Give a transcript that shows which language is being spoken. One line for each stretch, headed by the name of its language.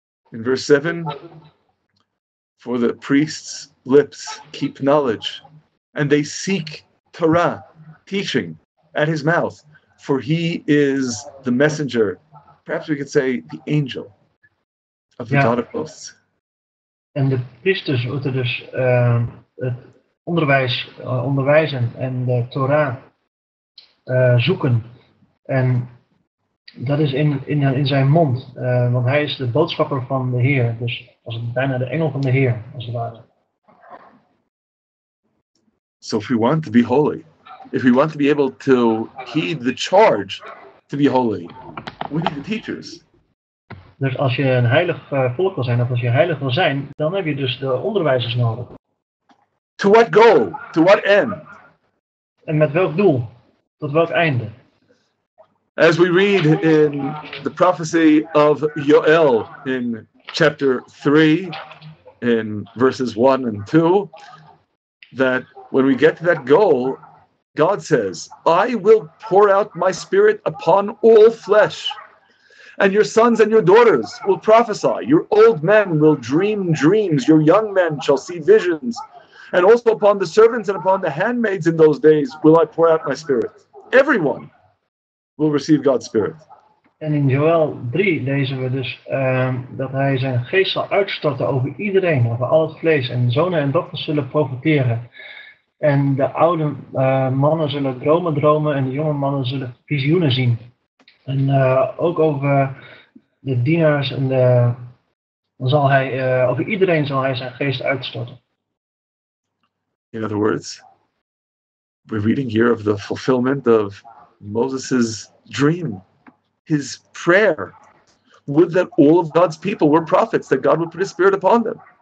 English: In verse 7, for the priests' lips keep knowledge, and they seek Torah, teaching, at his mouth. For he is the messenger, perhaps we could say the angel, of the God of hosts.
Dutch: En de priesters moeten dus het onderwijs onderwijzen en de Torah zoeken. En dat is in zijn mond, want hij is de boodschapper van de Heer. Dus als het bijna de engel van de Heer, als het ware.
English: So if we want to be holy, if we want to be able to heed the charge to be holy, we need the teachers.
Dutch: Dus als je een heilig volk wil zijn, of als je heilig wil zijn, dan heb je dus de onderwijzers nodig.
English: To what goal? To what end?
Dutch: En met welk doel? Tot welk einde?
English: As we read in the prophecy of Joel in chapter 3, in verses 1 and 2, that when we get to that goal, God says, I will pour out my spirit upon all flesh, and your sons and your daughters will prophesy. Your old men will dream dreams. Your young men shall see visions. And also upon the servants and upon the handmaids in those days will I pour out my spirit. Everyone will receive God's spirit.
Dutch: En in Joel 3 lezen we dus dat hij zijn geest zal uitstorten over iedereen, over al het vlees, en zonen en dochters zullen profiteren. En de oude mannen zullen dromen en de jonge mannen zullen visioenen zien. En ook over de dienaars en de, zal hij, over iedereen zal hij zijn geest uitstorten.
English: In other words, we're reading here of the fulfillment of Moses' dream, his prayer. Would that all of God's people were prophets, that God would put his spirit upon them.